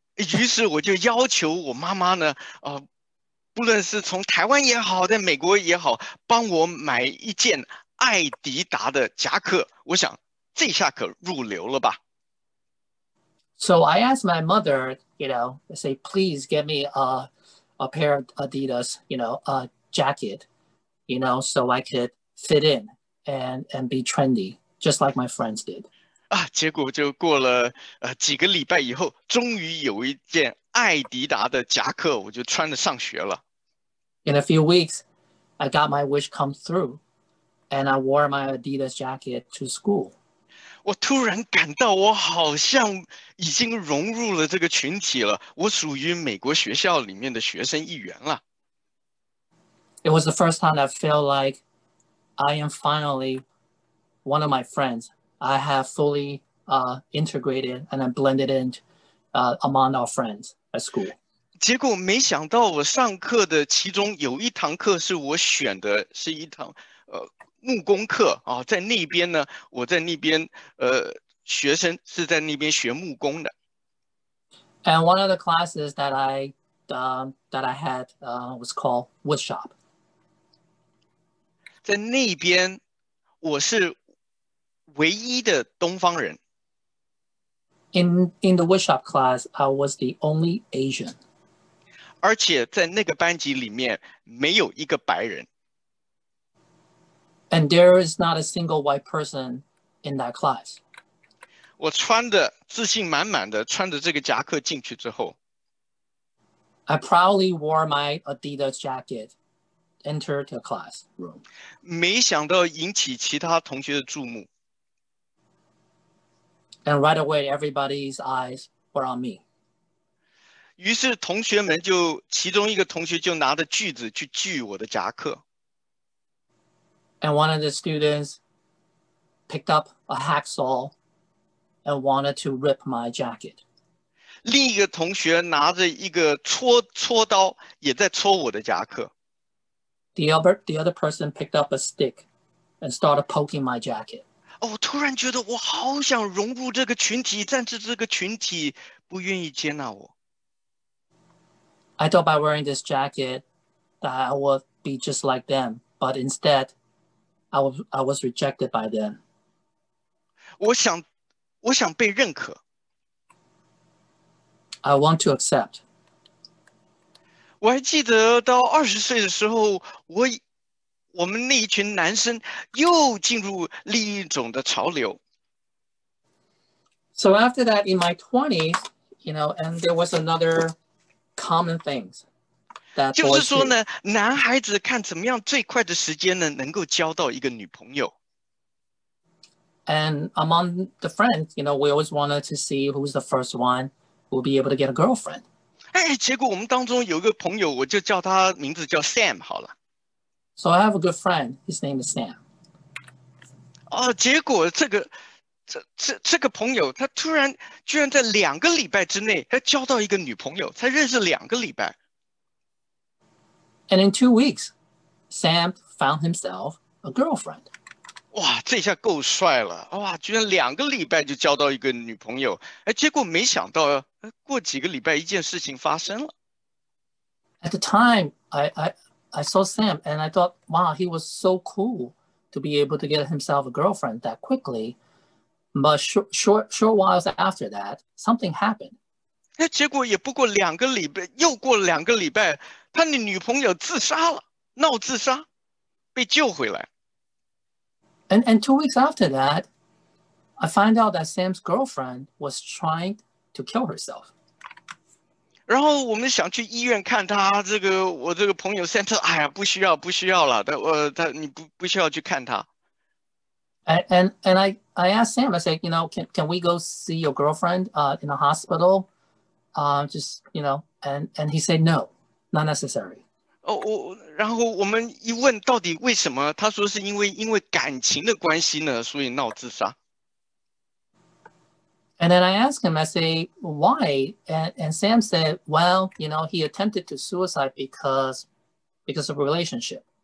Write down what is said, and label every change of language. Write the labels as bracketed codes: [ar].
[zh] 于是我就要求我妈妈呢，不论是从台湾也好，在美国也好，帮我买一件艾迪达的夹克，我想这下可入流了吧。 [en] So I asked my mother, you know, say, please get me a pair of Adidas, you know, a jacket, you know, so I could fit in and be trendy, just like my friends did. [zh] 啊，结果就过了几个礼拜以后，终于有一件艾迪达的夹克，我就穿着上学了。 [en] In a few weeks, I got my wish come through, and I wore my Adidas jacket to school. [zh] 我突然感到我好像已经融入了这个群体了，我属于美国学校里面的学生一员了。 [en] It was the first time I felt like I am finally one of my friends. I have fully integrated and I blended in. Among our friends at school. [zh] 结果没想到我上课的其中有一堂课是我选的，是一堂木工课啊，在那边呢，我在那边学生是在那边学木工的。 [en] And one of the classes that I had was called woodshop. [zh] 在那边我是唯一的东方人。 [en] In the woodshop class, I was the only Asian. [zh] 而且在那个班级里面没有一个白人。 [en] And there is not a single white person in that class. [zh] 我穿的自信满满的，穿着这个夹克进去之后。 [en] I proudly wore my Adidas jacket, entered the classroom. [zh] 没想到引起其他同学的注目。 [en] And right away, everybody's eyes were on me. [zh] 于是同学们就其中一个同学就拿着锯子去锯我的夹克。 [en] And one of the students picked up a hacksaw and wanted to rip my jacket. [zh] 另一个同学拿着一个戳刀也在戳我的夹克。 [en] The other person picked up a stick and started poking my jacket. [zh] 哦，我突然觉得我好想融入这个群体，但是这个群体不愿意接纳我。 [en] I thought by wearing this jacket that I would be just like them, but instead, I was rejected by them. [zh] 我想被认可。 [en] I want to accept. [zh] 我还记得到20岁的时候，我们那一群男生又进入另一种的潮流。 [en] So after that, in my 20s, you know, and there was another common things that [zh] 就是 [en] boys [zh] 说 [en] do. [zh] 呢，男孩子看怎么样最快的时间呢，能够交到一个女朋友。 [en] And among the friends, you know, we always wanted to see who's the first one who'll be able to get a girlfriend. [zh] 哎，结果我们当中有一个朋友，我就叫他名字叫 Sam 好了。 [en] So I have a good friend, his name is Sam. [zh] 哦，结果这个朋友，他居然在2个礼拜之内，他交到一个女朋友，才认识2个礼拜。 [en] And in 2 weeks, Sam found himself a girlfriend. [zh] 哇，这下够帅了！哇，居然2个礼拜就交到一个女朋友，哎，结果没想到，过几个礼拜一件事情发生了。 [en] At the time, I saw Sam and I thought, wow, he was so cool to be able to get himself a girlfriend that quickly. But short while after that, something happened. [zh] 哎，结果也不过2个礼拜，又过2个礼拜，他的女朋友自杀了，闹自杀，被救回来。 [en] And 2 weeks after that, I find out that Sam's girlfriend was trying to kill herself. [zh] 然后我们想去医院看他，我这个朋友 Santa，哎呀，不需要，不需要了，他你不需要去看他。 [en] And I asked Sam, I said, you know, can we go see your girlfriend in the hospital? Just, you know, and he said, no, not necessary. [zh] 哦，然后我们一问到底为什么，他说是因为感情的关系呢，所以闹自杀。 [en] And then I asked him, I say, why? And Sam said, well, you know, he attempted to suicide because of relationship.